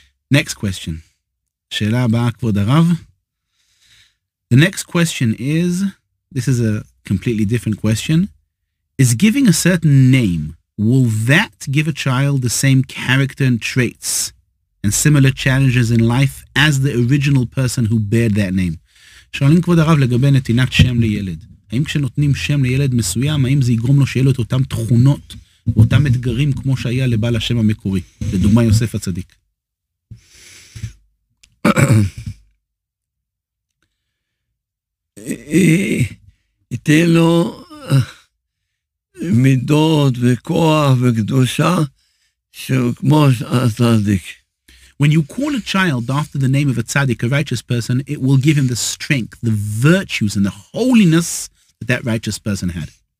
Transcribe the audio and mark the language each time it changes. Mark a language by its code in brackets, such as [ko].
[en] Next question. [he] Shela ba'a kvod harav. [en] The next question is, this is a completely different question. Is giving a certain name, will that give a child the same character and traits and similar challenges in life as the original person who bared that name? [he] Shalim kvod harav legabe netinat shem liyeled. האם כשנותנים שם לילד מסוים, האם זה יגרום לו שיהיה לו את אותם תכונות, אותם אתגרים כמו שהיה לבעל השם המקורי, לדוגמה יוסף הצדיק? ייתן לו מידות וכוח וקדושה שהוא כמו הצדיק. [en] When you call a child after the name of a tzaddik, a righteous person, it will give him the strength, the virtues and the holiness that righteous person had.